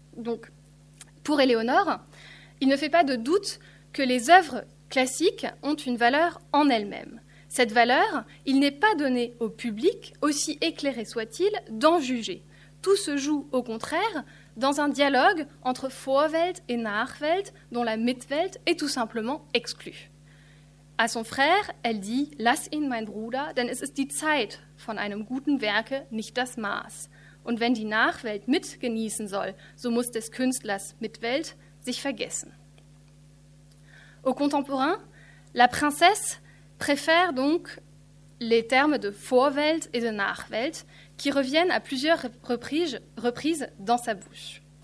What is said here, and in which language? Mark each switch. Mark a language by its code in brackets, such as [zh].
[fr] Donc, pour Éléonore, il ne fait pas de doute que les œuvres classiques ont une valeur en elles-mêmes. Cette valeur, il n'est pas donné au public, aussi éclairé soit-il, d'en juger. Tout se joue, au contraire, dans un dialogue entre Vorwelt et Nachwelt, dont la Mitwelt est tout simplement exclue. À son frère, elle dit [de] « Lass ihn, mein Bruder, denn es ist die Zeit von einem guten Werke, nicht das Maß. Und wenn die Nachwelt mitgenießen soll, so muss des Künstlers Mitwelt sich vergessen. [fr] » Au contemporain, la princesse préfère donc les termes de Vorwelt et de Nachwelt qui reviennent à plusieurs reprises dans sa bouche.